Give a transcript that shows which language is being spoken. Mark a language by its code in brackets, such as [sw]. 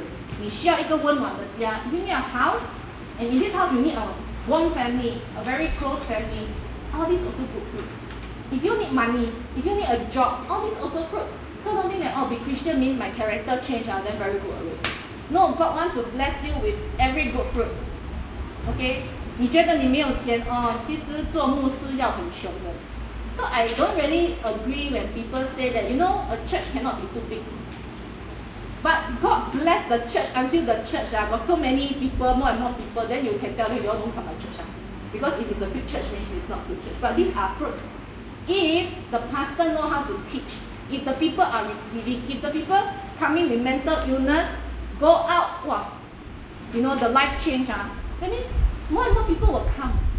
[zh] 不要只是想说我们做基督徒，我们的果子只是说我们的人格很好就可以了。没有嘞，我们的果子也是，如果你需要一个屋子，你需要一个温暖的家， [en] you need a house, and in this house you need a warm family, a very close family. All these also good fruits. If you need money, if you need a job, all these also fruits. So don't think that, oh, be Christian means my character change, then very good already. No, God wants to bless you with every good fruit. Okay? [zh] 你觉得你没有钱, 其实做牧师要很穷的。 [en] So I don't really agree when people say that, you know, a church cannot be too big. But God bless the church until the church got so many people, more and more people, then you can tell them, you all don't come to church. Because if it's a big church, means it's not a good church. But these are fruits. If the pastor know how to teach, if the people are receiving, if the people coming with mental illness, go out, wow, you know, the life change, that means more and more people will come.